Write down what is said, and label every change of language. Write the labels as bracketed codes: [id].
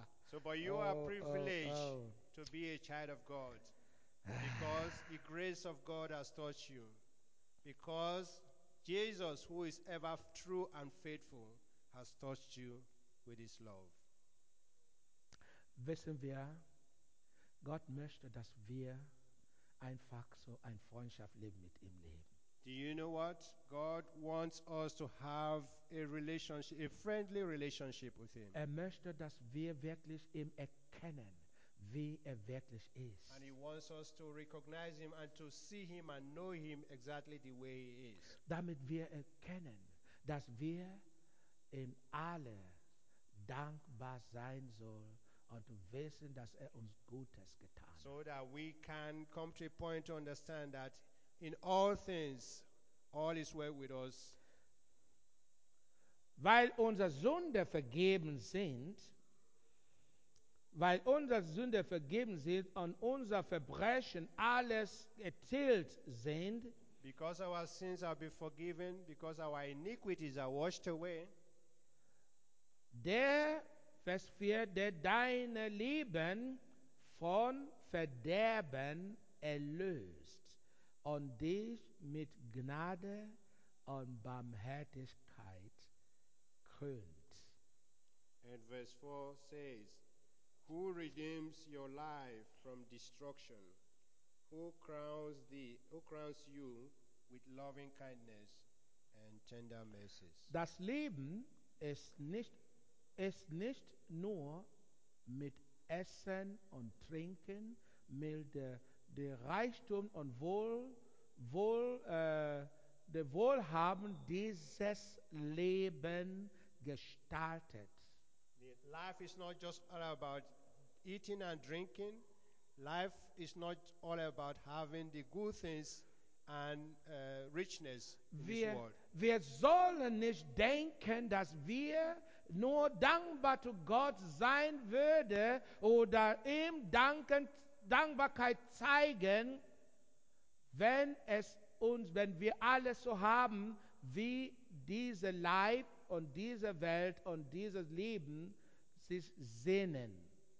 [en] So, but you are privileged to be a child of God because the grace of God has taught you. Because Jesus, who is ever true and faithful, has touched you with his love. [de] Wissen wir, Gott möchte, dass wir einfach so ein Freundschaft leben mit ihm leben. [en] Do you know what? God wants us to have a relationship, a friendly relationship with him. [de] Er möchte, dass wir wirklich ihm erkennen, wie er wirklich ist. [en] And he wants us to recognize him and to see him and know him exactly the way he is. [de] Damit wir erkennen, dass wir ihm alle dankbar sein sollen und wissen, dass er uns Gutes getan hat. [en] So that we can come to a point to understand that in all things, all is well with us. [de] Weil unsere Sünde vergeben sind, weil unsere Sünde vergeben sind und unser Verbrechen alles getilgt sind. [en] Because our sins have been forgiven, because our iniquities are washed away. [de] Der, Vers 4, der deine Leben von Verderben erlöst und dich mit Gnade und Barmherzigkeit krönt. [en] And verse 4 says, who redeems your life from destruction? Who crowns you with loving kindness and tender mercies? [de] Das Leben ist nicht nur mit Essen und Trinken, mit der Reichtum und der Wohlhaben dieses Leben gestaltet. [en] Life is not just all about eating and drinking. Life is not all about having the good things and richness in this world. [de] Wir sollen nicht denken, dass wir nur dankbar zu Gott sein würde oder ihm Dankbarkeit zeigen, wenn es uns, wenn wir alles so haben, wie diese Leib und diese Welt und dieses Leben sich sehnen.